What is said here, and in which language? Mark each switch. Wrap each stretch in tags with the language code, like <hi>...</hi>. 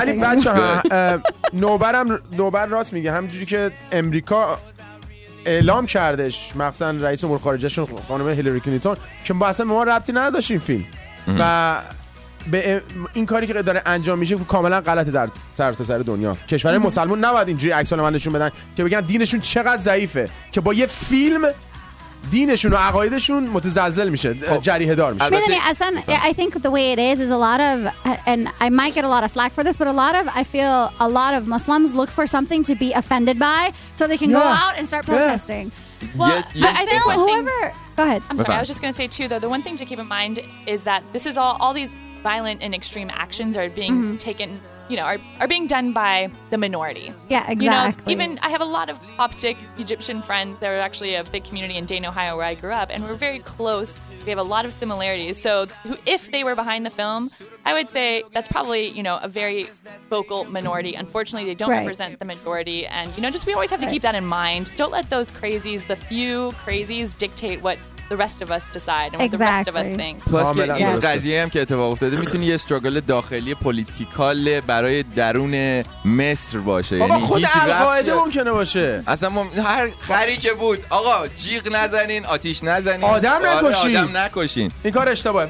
<fa>ولی بچه‌ها نوبر راست میگه، همینجوری که امریکا اعلام کردش مثلا رئیس امور خارجهشون خانم هیلری کلینتون که اصلا ما ربطی نداشت این فیلم و به این کاری که داره انجام میشه کاملا غلطه در سرتاسر دنیا. کشورهای مسلمان نباید اینجوری عکس العمل نشون بدن که بگن دینشون چقدر ضعیفه که با یه فیلم دینشون و عقایدشون متزلزل میشه، جریحه دار میشه. البته اصلا</fa> <en>I think the way it is a lot of, and I might get a lot of slack for this, but I feel a lot of Muslims look for something to be offended by so they can go out and start protesting. I was just going to say too though, the one thing to keep in mind is that this is all these violent and extreme actions are being taken, you know, are being done by the minority. Yeah, exactly. You know, even I have a lot of Coptic Egyptian friends. There are actually a big community in Dayton, Ohio, where I grew up, and we're very close. We have a lot of similarities. So if they were behind the film, I would say that's probably, you know, a very vocal minority. Unfortunately, they don't represent the majority. And, you know, just we always have to keep that in mind. Don't let those crazies, the few crazies, dictate what the rest of us decide and what the rest of us think.</en> <fa>Plus که این قضیه هم که اتفاق افتاده میتونی یه استراگل داخلی پولیتیکال برای درون مصر باشه. بابا خود القاعده ممکنه باشه. اصلا هر خری که بود آقا جیغ نزنین، آتیش نزنین، آدم نکشین. این کار اشتباهه.</fa>